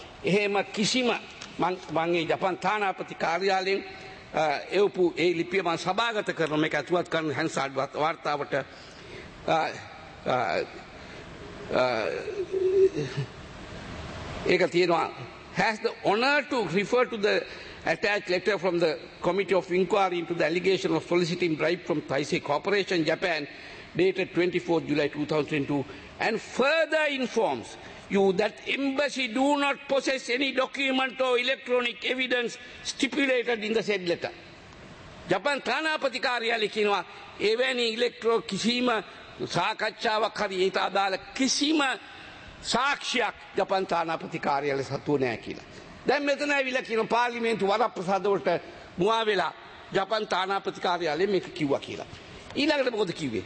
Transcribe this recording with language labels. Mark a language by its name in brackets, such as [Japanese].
[Sinhala] එහෙම කිසිම මගේ ජපාන් තානාපති කාර්යාලයෙන් එවපු ඒ ලිපිය මම සභාගත කරන මේක ඇතුළත් කරන හැන්සාඩ් වාර්තාවට ඒක තියෙනවා. [English] Has the honor to refer to the attached letter from the Committee of Inquiry into the allegation of soliciting bribe from Taisei Corporation Japan dated 24 July 2002 and further informs you that embassy do not possess any document or electronic evidence stipulated in the said letter. [Sinhala] Japan තානාපති කාර්යාලයේ කියනවා එවැනි electro කිසිම සාකච්ඡාවක් හරි ඊට අදාළ කිසිම සාක්ෂියක් ජපාන් තානාපති කාර්යාලයේ සතුව නැහැ කියලා. දැන් මෙතන ඇවිල්ලා කියන පාර්ලිමේන්තු වරප්‍රසාද වලට මුවා වෙලා ජපාන් තානාපති කාර්යාලයේ මේක කිව්වා කියලා. ඊළඟට මොකද කිව්වේ?